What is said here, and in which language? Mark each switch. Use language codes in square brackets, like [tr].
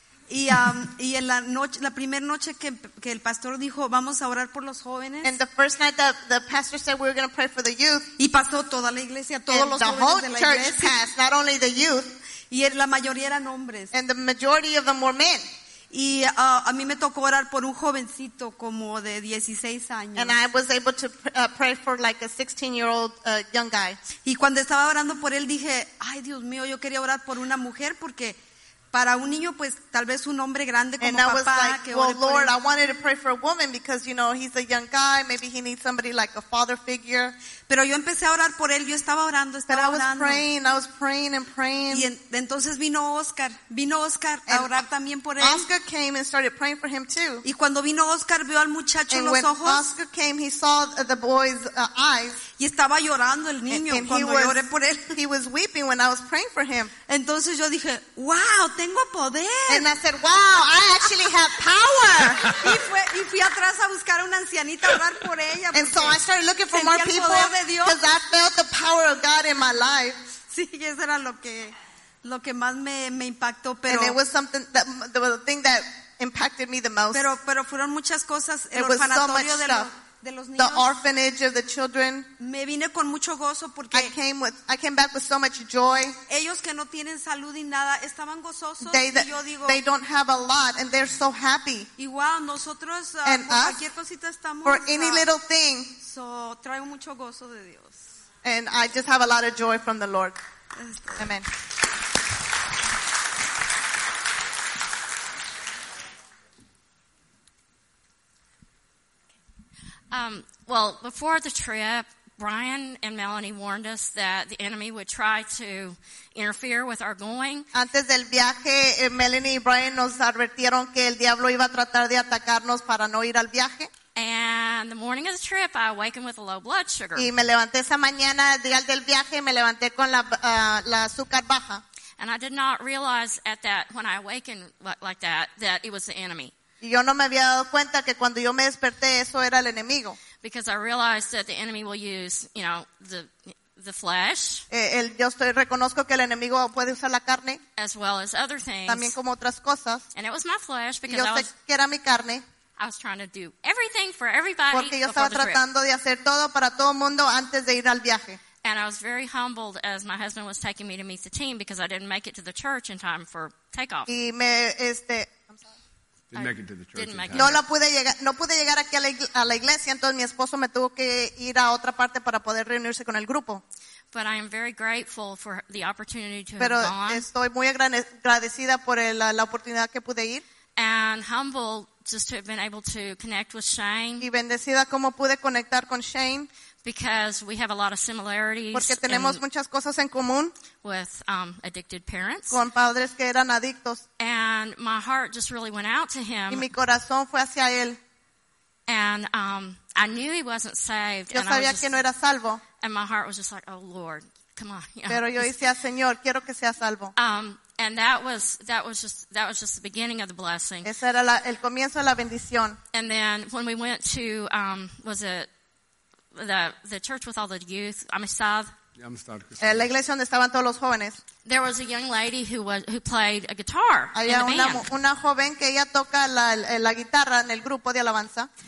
[es] Y en la noche, la primera noche que el pastor dijo, vamos a orar por los jóvenes. [en] And the first night that the pastor said we were going to pray for the youth. [es] Y pasó toda la iglesia, todos [en] and [es] los jóvenes de la iglesia. [en] The whole church passed, not only the youth. [es] Y la mayoría eran hombres. [en] And the majority of them were men. [es] Y a mí me tocó orar por un jovencito como de 16 años. [en] And I was able to pray for like a 16-year-old young guy. [es] Y cuando estaba orando por él dije, ay Dios mío, yo quería orar por una mujer porque para un niño pues tal vez un hombre grande como [en] and [es] papá [en] was like, [es] que [en] well, Lord, I wanted to pray for a woman because you know he's a young guy, maybe he needs somebody like a father figure. [es] Pero yo empecé a orar por él, yo estaba orando, estaba [en] but [es] orando. [en] I was praying. [es] Y entonces vino Oscar a orar también por él. [en] Oscar came and started praying for him too. [es] Y cuando vino Oscar vio al muchacho [en] and [es] en los ojos. [en] And when Oscar came, he saw the boy's eyes. [es] Y estaba llorando el niño [en] and [es] cuando [en] was, [es] yo oré por él. [en] He was weeping when I was praying for him. [es] Entonces yo dije, wow. Tengo poder. [en] And I said, wow, I actually have power. [es] Y fui atrás a buscar a una ancianita, orar por ella. [en] And so I started looking for more people because I felt the power of God in my life. [es] Sí, eso era lo que más me impactó. Pero, [en] and it was something, the thing that impacted me the most. [es] Pero fueron muchas cosas. [en] It was so much stuff. [es] De los niños. [en] The orphanage of the children. [es] Me vine con mucho gozo porque [en] I came back with so much joy. [es] Ellos que no tienen salud y nada estaban gozosos. [en] They don't have a lot and they're so happy. [es] Igual nosotros [en] and [es] por [en] us, [es] cualquier cosita estamos. [en] For any little thing. [es] So traigo mucho gozo de Dios. [en] And I just have a lot of joy from the Lord. Amen. Well, before the trip, Brian and Melanie warned us that the enemy would try to interfere with our going. [es] Antes del viaje, Melanie y Brian nos advirtieron que el diablo iba a tratar de atacarnos para no ir al viaje. [en] And the morning of the trip, I awakened with a low blood sugar. [es] Y me levanté esa mañana, el día del viaje, me levanté con la azúcar baja. [en] And I did not realize at that, when I awakened like that, that it was the enemy. [es] Y yo no me había dado cuenta que cuando yo me desperté eso era el enemigo. [en] Because I realized that the enemy will use, you know, the flesh. [es] Reconozco que el enemigo puede usar la carne. [en] As well as other things. [es] También como otras cosas. [en] And it was my flesh because [es] yo sé que era mi carne. [en] I was trying to do everything for everybody. [es] Porque yo estaba tratando de hacer todo para todo mundo antes de ir al viaje. [en] And I was very humbled as my husband was taking me to meet the team because I didn't make it to the church in time for takeoff. [es] Y me [en] didn't make it to the church. [es] No la pude llegar. No pude llegar aquí a la iglesia. Entonces mi esposo me tuvo que ir a otra parte para poder reunirse con el grupo. [en] But I am very grateful for the opportunity to [es] pero [en] have gone. [es] Pero estoy muy agradecida por la oportunidad que pude ir. [en] And humbled just to have been able to connect with Shane. [es] Y bendecida como pude conectar con Shane. [en] Because we have a lot of similarities. [es] Porque tenemos muchas cosas en común. [en] With addicted parents. [es] Con padres que eran adictos. [en] And my heart just really went out to him. [es] Y mi corazón fue hacia él. [en] And I knew he wasn't saved. [es] Yo sabía que no era salvo. [en] And my heart was just like, oh Lord, come on. [es] Pero yo decía, Señor, quiero que sea salvo. [en] And that was just the beginning of the blessing. [es] Ese era el comienzo de la bendición. [en] And then when we went to the church with all the youth, Amistad. [es] La iglesia donde estaban todos los jóvenes. [en] There was a young lady who played a guitar. [es] Había [en] in the band. [es] Una joven que ella toca la guitarra en el grupo de alabanza.